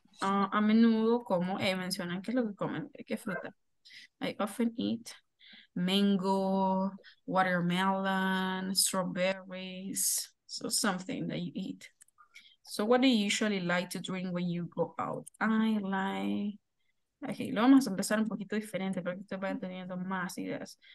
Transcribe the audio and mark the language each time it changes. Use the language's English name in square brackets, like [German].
[Spanish] A menudo como, mencionan qué es lo que comen, qué fruta. [English] I often eat mango, watermelon, strawberries, so something that you eat. So what do you usually like to drink when you go out? [Spanish] Okay, lo vamos a empezar un poquito diferente porque estoy teniendo más ideas.